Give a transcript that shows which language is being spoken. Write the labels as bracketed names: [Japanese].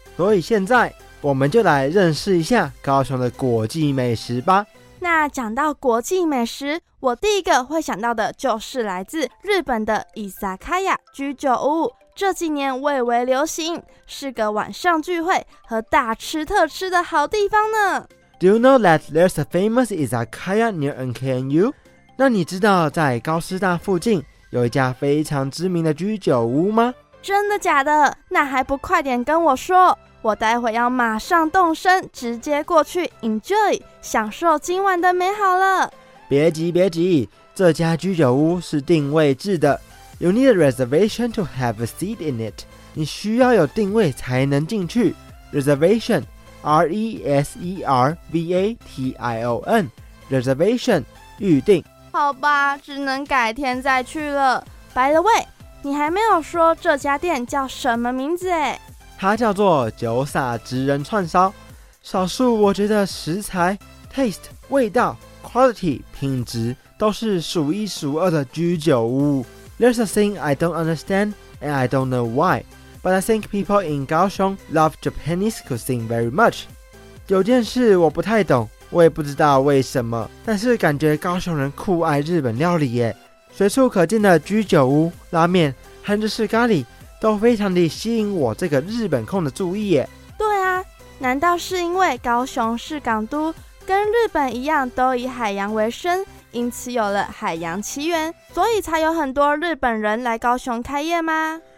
[Chinese] 所以现在我们就来认识一下高雄的国际美食吧。那讲到国际美食，我第一个会想到的就是来自日本的伊萨卡亚居酒屋，这几年蔚为流行，是个晚上聚会和大吃特吃的好地方呢。 [English] Do you know that there's a famous izakaya near NKNU? [Chinese] 那你知道在高师大附近有一家非常知名的居酒屋吗？真的假的？那还不快点跟我说，我待会要马上动身，直接过去 enjoy 享受今晚的美好了。别急别急，这家居酒屋是定位制的。 [English] You need a reservation to have a seat in it. [Chinese] 你需要有定位才能进去。 [English] Reservation, R-E-S-E-R-V-A-T-I-O-N, reservation, [Chinese] 预定。好吧，只能改天再去了。 [English] By the way, [Chinese] 你还没有说这家店叫什么名字诶？它叫做酒洒直人串烧。少数我觉得食材、taste、味道、quality、品质都是数一数二的居酒屋。 [English] There's a thing I don't understand, and I don't know why, but I think people in Kaohsiung love Japanese cuisine very much. [Chinese] 有件事我不太懂，我也不知道为什么，但是感觉高雄人酷爱日本料理耶。随处可见的居酒屋、拉面和日式咖喱都非常地吸引我这个日本控的注意耶。对啊，难道是因为高雄是港都，跟日本一样都以海洋为生，因此有了海洋奇缘，所以才有很多日本人来高雄开业吗？